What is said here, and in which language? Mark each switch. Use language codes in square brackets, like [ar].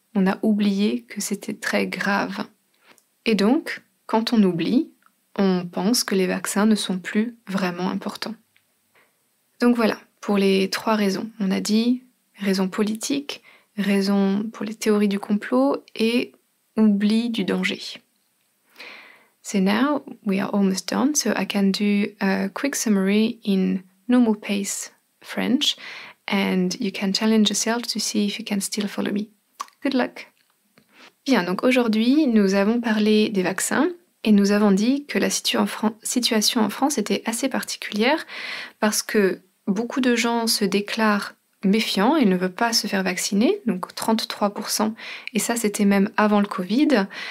[fr] On a oublié que c'était très grave. Et donc, quand on oublie, on pense que les vaccins ne sont plus vraiment importants. Donc voilà, pour les trois raisons. On a dit raison politique, raison pour les théories du complot et oubli du danger. [en] So now we are almost done, so I can do a quick summary in normal pace French and you can challenge yourself to see if you can still follow me. Good luck! [fr] Bien, donc aujourd'hui nous avons parlé des vaccins et nous avons dit que la situation en France était assez particulière parce que beaucoup de gens se déclarent méfiant et ne veut pas se faire vacciner, donc 33%, et ça c'était même avant le Covid.